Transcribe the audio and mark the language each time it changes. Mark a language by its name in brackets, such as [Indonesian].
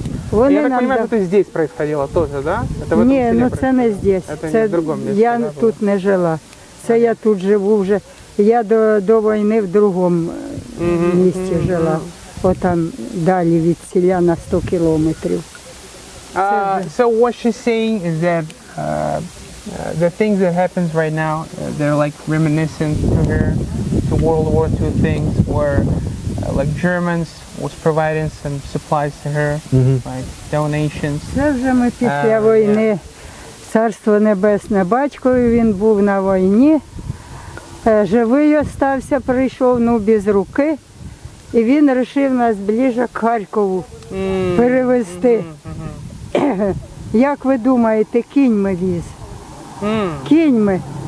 [Russian] Вони я так понимаю, що це здесь происходило тоже, да? [Ukrainian] Ні, ну це не здесь. Це не в другому місці. Я тут не жила. Це я тут живу вже. Я до війни в другому місці жила. От там далі від селя на 100 кілометрів. [English] So what she's saying is that the things that happens right now, they're like reminiscent to her, to World War II things where like Germans was providing some supplies to her, like donations. [Ukrainian] Це вже ми після війни. Царство Небесне, батькові він був на війні. Живий остався, прийшов, ну, без руки. І він рішив нас [Russian] ближе к [Ukrainian] Харкову перевезти. Як ви думаєте, кінь ми віз? Кінь ми.